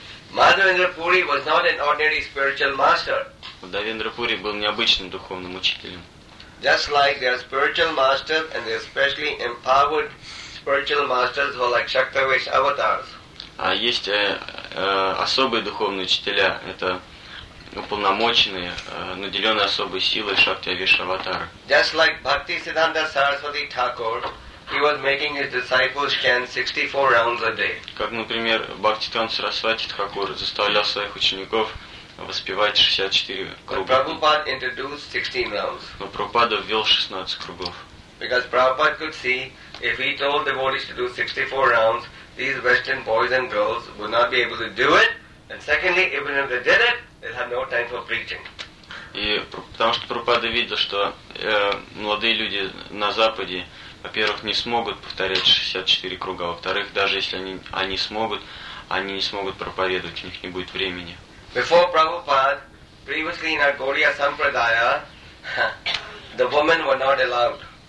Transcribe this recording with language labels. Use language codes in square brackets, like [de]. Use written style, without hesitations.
[en] Madhavendra Puri was not an ordinary spiritual master. [ru] Madhavendra Puri был необычным духовным учителем. [en] Just like their spiritual masters and their specially empowered spiritual masters were like Shaktavesh avatars. [ru] А есть особые духовные учителя, это уполномоченные, наделенные особой силой Шактавеш аватары. [en] Just like Bhakti Siddhanta Saraswati Thakur, he was making his disciples chant 64 rounds a day. [ru] Как, например, Бхакти Сиддханта Сарасвати Тхакур заставлял своих учеников воспевать 64 круга. [en] Prabhupada introduced 16 rounds. [ru] Но Прабхупада ввел 16 кругов. [en] Because Prabhupada could see if he told the devotees to do 64 rounds, these Western boys and girls would not be able to do it. And secondly, even if they did it, they'd have no time for preaching. [ru] И потому что Прабхупада видел, что молодые люди на Западе, во-первых, не смогут повторять 64 круга, во-вторых, даже если они не смогут проповедовать, у них не будет времени. [en] Before Prabhupada, previously in our Gaudiya Sampradaya, the women were not allowed.